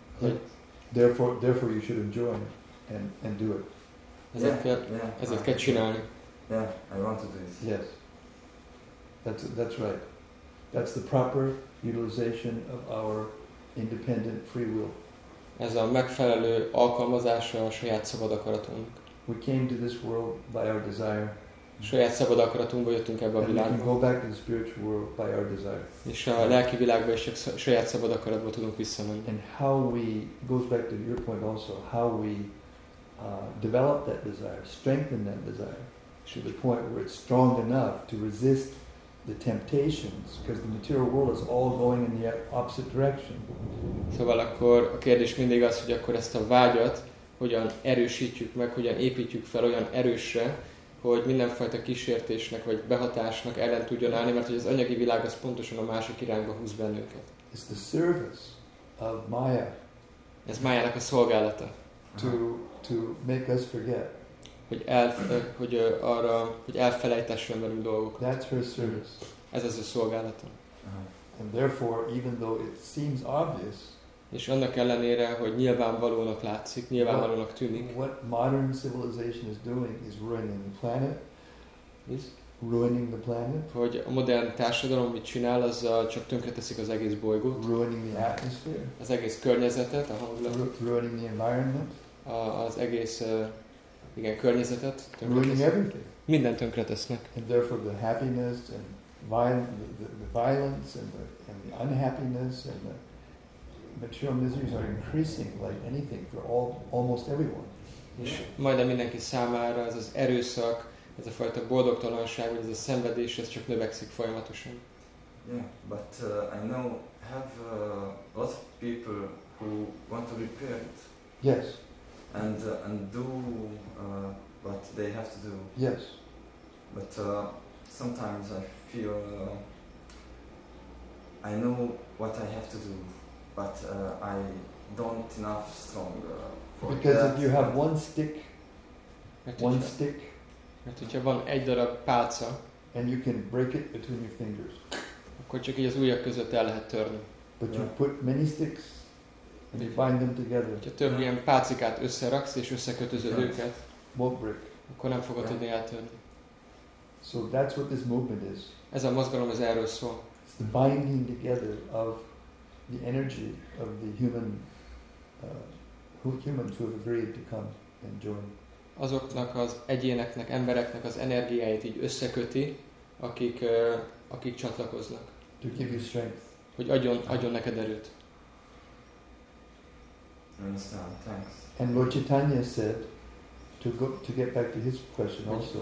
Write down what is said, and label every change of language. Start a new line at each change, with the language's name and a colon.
English: Yeah. Therefore you should enjoy and do it.
Hungarian: Ezért kell csinálni.
English: Yeah, I want to do this. Yes. That's right. That's the proper utilization of our independent free will.
Hungarian: Ez a megfelelő alkalmazása a saját szabad akaratunk.
English: We came to this world by our desire.
Hungarian: Saját szabad akaratunkba jöttünk ebbe a világba.
English: And we can go back to the spiritual world by our desire.
Hungarian: És a lelki világba is csak saját szabad akaratba tudunk visszamenni.
English: And how we goes back to your point also, how we develop that desire, strengthen that desire to the point where it's strong enough to resist the temptations, because the material world is all going in the opposite direction.
Hungarian: Szóval akkor a kérdés mindig az, hogy akkor ezt a vágyat hogyan erősítjük meg, hogyan építjük fel olyan erősre, hogy mindenfajta kísértésnek vagy behatásnak ellen tudjon állni, mert hogy az anyagi világ az pontosan a másik irányba húz bennünket.
English: It's the service of Maya.
Hungarian: Ez Mayának a szolgálata.
English: To make us forget.
Hungarian: Hogy elfelejtessen velünk dolgokat.
English: That's her service.
Hungarian: Ez az a szolgálata.
English: Uh-huh. And therefore, even though it seems obvious,
Hungarian: és annak ellenére, hogy nyilvánvalónak látszik, nyilvánvalónak tűnik.
English: What modern civilization is doing is ruining the planet. Is? Ruining the planet.
Hungarian: Hogy a modern társadalom mit csinál, az csak tönkreteszik az egész bolygót.
English: Ruining the atmosphere.
Hungarian: Az egész környezetet, a hangulatot.
English: Ruining the environment.
Hungarian: Az egész igen, környezetet tönkreteszik. Minden tönkretesznek.
English: And therefore the happiness and the violence and the unhappiness and the material miseries are increasing like anything for almost everyone.
Hungarian: És majdnem mindenki számára ez az erőszak, ez a fajta boldogtalanság, ez a szenvedés, ez csak növekszik folyamatosan.
English: Yeah, but I know have lots of people who want to repair it. Yes. and do what they have to do. Yes. But sometimes I feel I know what I have to do, but I don't enough strong for because that. If you have one stick, one stick,
Hungarian: hogyha van egy darab pálca,
English: and you can break it between your fingers.
Hungarian: Akkor csak így az ujjak között el lehet törni.
English: But yeah. You put many sticks and you bind them together.
Hungarian: Ha több ilyen pálcikát összeraksz és összekötözöd őket,
English: won't break.
Hungarian: Akkor nem fogod tudni eltörni.
English: So that's what this movement is.
Hungarian: Ez a mozgalom ez erről szól.
English: It's the binding together of the energy of the human, humans who have agreed to come and join.
Hungarian: Azoknak az egyéneknek, embereknek az energiáit így összeköti, akik akik csatlakoznak.
English: To give you strength.
Hungarian: Hogy adjon neked erőt.
English: Understand. Thanks. And Lord Chaitanya said to get back to his question also.